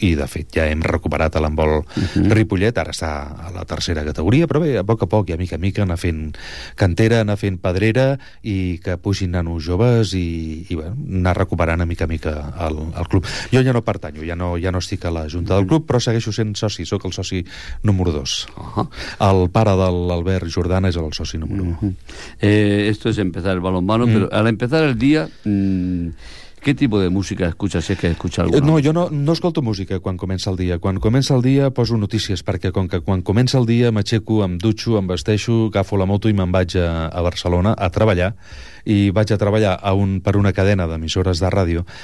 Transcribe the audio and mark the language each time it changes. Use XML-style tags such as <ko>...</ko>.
<ca>I, de fet, ja hem recuperat l'handbol Ripollet, ara està a la tercera categoria, però bé, a poc i a mica, anar fent cantera, anar fent pedrera, i que pugin nanos joves i bueno, anar recuperant a mica el club. Jo ja no pertanyo, ja no estic a la junta del club, però segueixo sent soci, sóc el soci número 2. Uh-huh. El pare de l'Albert Jordana és el soci número 1. Uh-huh.</ca> <es>Esto es empezar el balonmano, pero al empezar el día... ¿Qué tipo de música escuchas? Si es que escucha alguna.</es> <ca>No, jo no escolto música quan comença el dia. Quan comença el dia poso notícies, perquè com que quan comença el dia m'aixeco, em dutxo, em vesteixo, agafo la moto i me'n vaig a Barcelona a treballar, i vaig a treballar per una cadena d'emissores de ràdio.</ca>